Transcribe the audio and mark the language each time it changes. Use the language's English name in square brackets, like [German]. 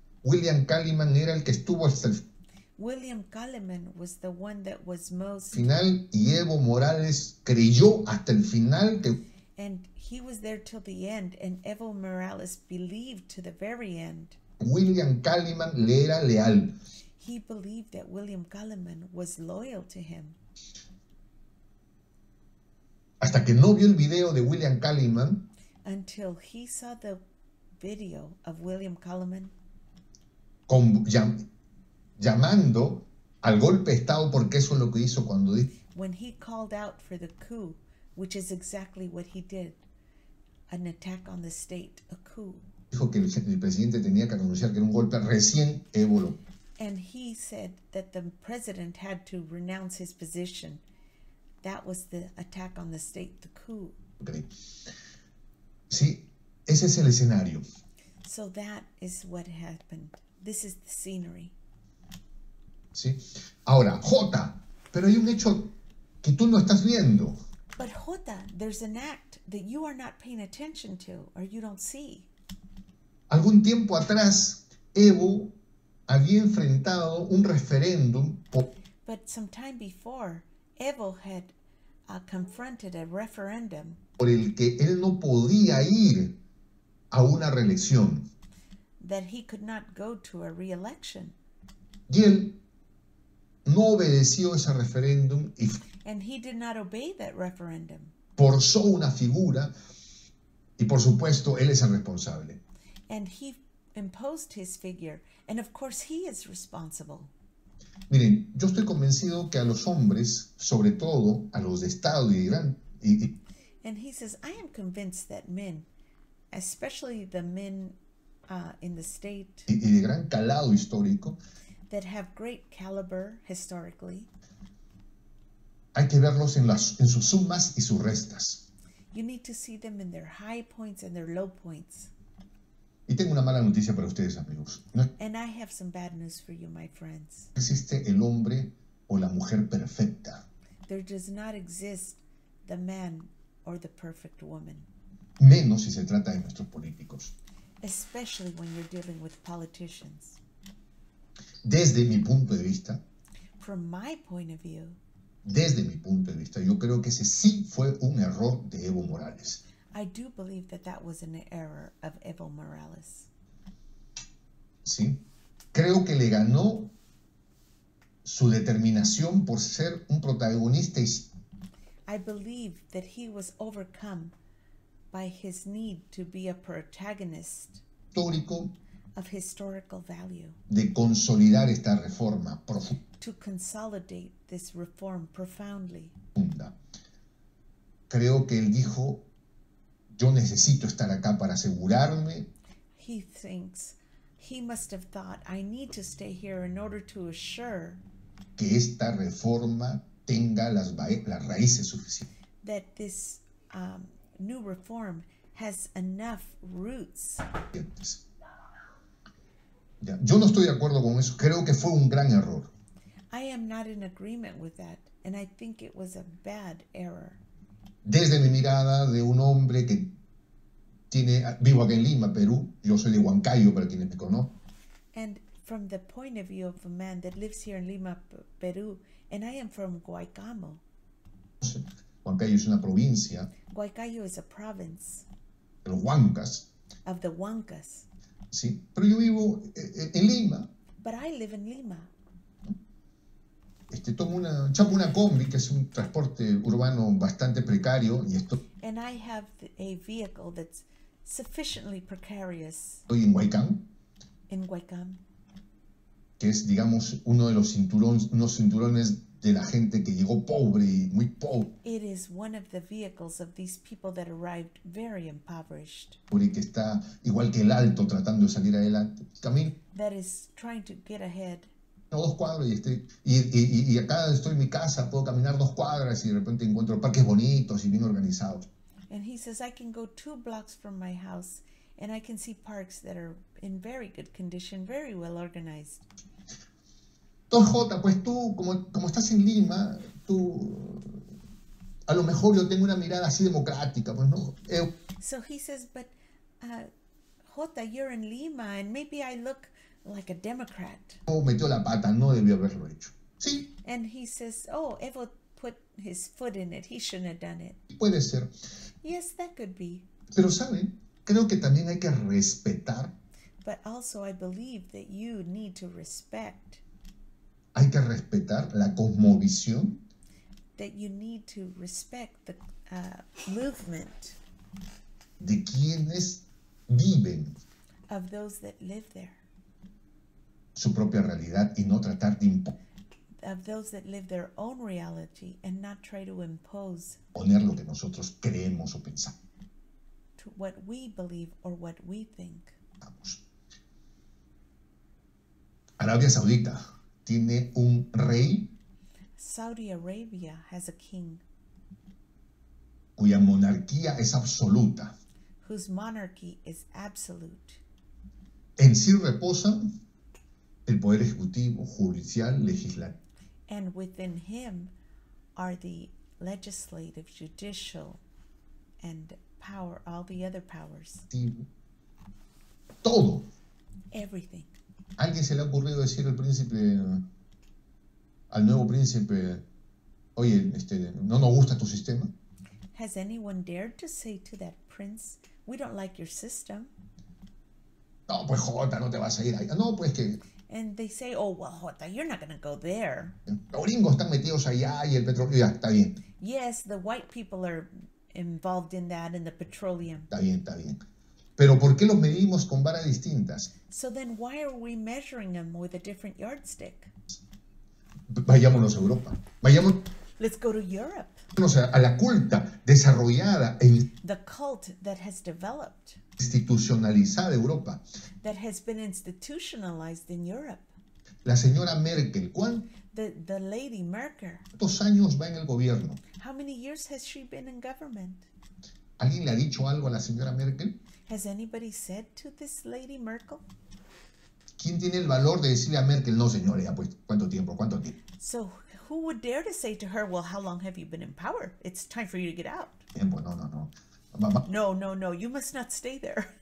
[Spanish] William Calliman era el que estuvo hasta el [English] William Calliman was the one that was most [Spanish] final, y Evo Morales creyó hasta el final que [English] and he was there till the end, and Evo Morales believed to the very end. [Spanish] William Calliman le era leal. [English] He believed that William Calliman was loyal to him. [Spanish] Hasta que no vio el video de William Calliman. [English] Until he saw the video of William Calliman. [Spanish] Con llamando al golpe de Estado porque eso es lo que hizo cuando dijo. [English] When he called out for the coup, which is exactly what he did, an attack on the state, a coup. [Spanish] Dijo que el presidente tenía que anunciar que era un golpe recién ébolo. [English] And he said that the president had to renounce his position. That was the attack on the state, the coup. [Spanish] Okay. Sí, ese es el escenario. [English] So that is what happened. This is the scenery. [Spanish] ¿Sí? Ahora, Jota, pero hay un hecho que tú no estás viendo. [English] But Jota, there's an act that you are not paying attention to or you don't see. [Spanish] Algún tiempo atrás, Evo había enfrentado un referéndum. [English] But some time before, Evo had confronted a referendum. [Spanish] Por el que él no podía ir a una reelección. [English] That he could not go to a re-election. [Spanish] Y él no obedeció ese referéndum y [English] and he did not obey that referendum. [Spanish] Forzó una figura y por supuesto él es el responsable. [English] And he imposed his figure and of course he is responsible. [Spanish] Miren, yo estoy convencido que a los hombres, sobre todo a los de Estado y de Irán, [English] And he says, I am convinced that men, especially the men in the state [Spanish] y de gran calado histórico, [English] that have great caliber historically, [Spanish] hay que verlos en las, en sus sumas y sus [English] you need to see them in their high points and their low points. [Spanish] Y tengo una mala noticia para ustedes, amigos. No [English] And I have some bad news for you, my friends. [Spanish] existe el hombre o la mujer perfecta. [English] There does not exist the man or the perfect woman. [Spanish] Menos si se trata de nuestros políticos. [English] Especially when you're dealing with politicians. [Spanish] Desde mi punto de vista, [English] From my point of view, [Spanish] yo creo que ese sí fue un error de Evo Morales. [English] I do believe that that was an error of Evo Morales. [Spanish] ¿Sí? Creo que le ganó su determinación por ser un protagonista. [English] I believe that he was overcome by his need to be a protagonist [Spanish] Histórico [English] of historical value, [Spanish] de consolidar esta reforma profunda. [English] to consolidate this reform profoundly. [Spanish] Creo que él dijo, yo necesito estar acá para asegurarme. [English] He thinks, he must have thought, I need to stay here in order to assure [Spanish] Que esta reforma tenga las raíces suficientes. [English] that this new reform has enough roots. [Spanish] Ya. Yo no estoy de acuerdo con eso. Creo que fue un gran error. [English] I am not in agreement with that, and I think it was a bad error. [Spanish] Desde mi mirada de un hombre que tiene, vivo aquí en Lima, Perú, yo soy de Huancayo, para quienes me conocen. [English] And from the point of view of a man that lives here in Lima, Peru, and I am from Guaycamo. [Spanish] Huancayo es una provincia. [English] Guaycayo is a province [Spanish] Los Huancas. [English] of the Huancas. [Spanish] Sí, pero yo vivo en Lima. [English] But I live in Lima. [Spanish] Tomo una, chapo una combi, que es un transporte urbano bastante precario, y estoy [English] And I have a vehicle that's sufficiently precarious [Spanish] en Huaycán, [English] in Guaycamo. [Spanish] que es, digamos, uno de los cinturones, unos cinturones de la gente que llegó pobre y muy pobre. [English] It is one of the vehicles of these people that arrived very impoverished. [Spanish] Y que está igual que el Alto tratando de salir adelante. Camino [English] That is trying to get ahead. [Spanish] dos cuadras y, y acá estoy en mi casa, puedo caminar dos cuadras y de repente encuentro parques bonitos y bien organizados. [English] And he says, I can go 2 blocks from my house and I can see parks that are in very good condition, very well organized. [Spanish] 2J, pues tú, como estás en Lima, tú, a lo mejor yo tengo una mirada así democrática, pues no. [English] So he says, but Jota, you're in Lima and maybe I look like a Democrat. [Spanish] Metió la pata, no debió haberlo hecho. Sí. [English] And he says, oh, Evo put his foot in it. He shouldn't have done it. [Spanish] Puede ser. [English] Yes, that could be. [Spanish] Pero saben, creo que también hay que respetar. [English] But also I believe that you need to respect [Spanish] Hay que respetar la cosmovisión [English] that you need to respect the movement [Spanish] de quienes viven [English] of those that live there. [Spanish] su propia realidad y no tratar de imponer [English] Of those that live their own reality and not try to impose [Spanish] lo que nosotros creemos o pensamos. [English] to what we believe or what we think. [Spanish] Arabia Saudita tiene un rey [English] Saudi Arabia has a king [Spanish] cuya monarquía es absoluta. [English] whose monarchy is absolute. [Spanish] En sí reposan el poder ejecutivo, judicial, legislativo. [English] And within him are the legislative, judicial, and power, all the other powers. [Spanish] Todo. [English] Everything. [Spanish] ¿A alguien se le ha ocurrido decir al príncipe, al nuevo príncipe, oye, no nos gusta tu sistema? [English] Has anyone dared to say to that prince, we don't like your system? [Spanish] No, pues Jota, no te vas a ir ahí. No, pues que [English] And they say, oh, well, Jota, you're not going to go there. [Spanish] los gringos están metidos allá y el petróleo, ya, está bien. [English] Yes, the white people are involved in that, in the petroleum. [Spanish] Está bien, está bien. Pero ¿por qué los medimos con varas distintas? [English] So then, why are we measuring them with a different yardstick? [Spanish] Vayámonos a Europa. Vayamos. [English] Let's go to Europe. [Spanish] Vámonos a la culta desarrollada en [English] the cult that has developed. [Spanish] Institucionalizada Europa. [English] That has been institutionalized in Europe. [Spanish] La señora Merkel, ¿cuál? [English] The lady Merkel. [Spanish] ¿Cuántos años va en el gobierno? [English] How many years has she been in government? [Spanish] ¿Alguien le ha dicho algo a la señora Merkel? [English] Has anybody said to this lady Merkel? [Spanish] ¿Quién tiene el valor de decirle a Merkel, no, señores, ya pues, ¿cuánto tiempo? ¿Cuánto tiempo? [English] So, who would dare to say to her, well, how long have you been in power? It's time for you to get out. [Spanish] Tiempo, no, no, no. [English] No, no, no, you must not stay there.